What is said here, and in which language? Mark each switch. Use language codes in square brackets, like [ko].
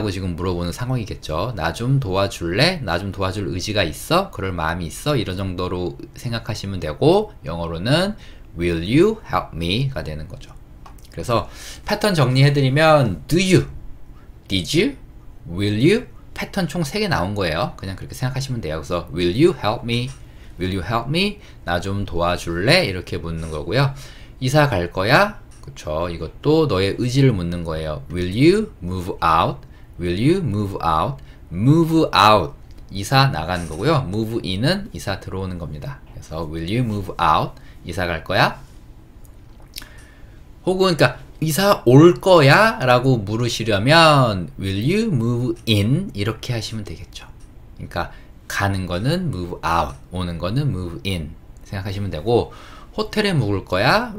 [ko] 라고 지금 물어보는 상황이겠죠. 나좀 도와줄래? 나좀 도와줄 의지가 있어? 그럴 마음이 있어? 이런 정도로 생각하시면 되고, 영어로는 [en] will you help me? [ko] 가 되는 거죠. 그래서 패턴 정리해드리면 do you, did you, will you 패턴 총 3개 나온 거예요. 그냥 그렇게 생각하시면 돼요. [en] 그래서 will you help me, will you help me, [ko] 나좀 도와줄래? 이렇게 묻는 거고요. 이사 갈 거야? 그쵸. 이것도 너의 의지를 묻는 거예요. [en] will you move out, will you move out, move out [ko] 이사 나가는 거고요. move in은 이사 들어오는 겁니다. 그래서 [en] will you move out, [ko] 이사 갈 거야? 혹은 그러니까 이사 올 거야라고 물으시려면 [en] will you move in [ko] 이렇게 하시면 되겠죠. 그러니까 가는 거는 move out, 오는 거는 move in 생각하시면 되고 호텔에 묵을 거야?